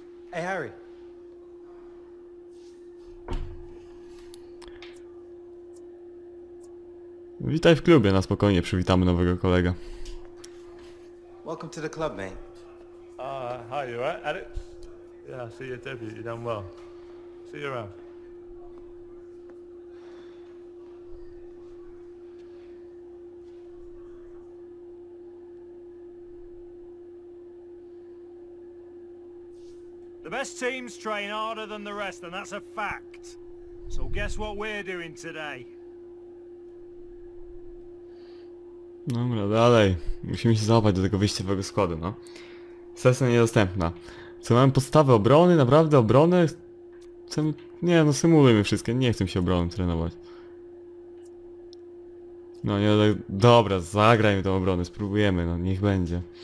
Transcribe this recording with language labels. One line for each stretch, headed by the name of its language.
English: Hey Harry.
Polish: Witaj w klubie, na spokojnie przywitamy nowego kolegę.
English: Welcome to the club, mate. Hi, you alright, Alex? Yeah, I see your debut, you done well. See you around. The best teams train harder than the rest, and that's a fact. So guess what we're doing today?
Polish: Dobra, dalej. Musimy się załapać do tego wyjściowego składu, no. Sesja niedostępna. Co, mamy podstawę obrony? Naprawdę obronę? Chcemy... Nie, no symulujmy wszystkie. Nie chcę się obroną trenować. No nie, dobra, zagrajmy tą obronę. Spróbujemy, no niech będzie.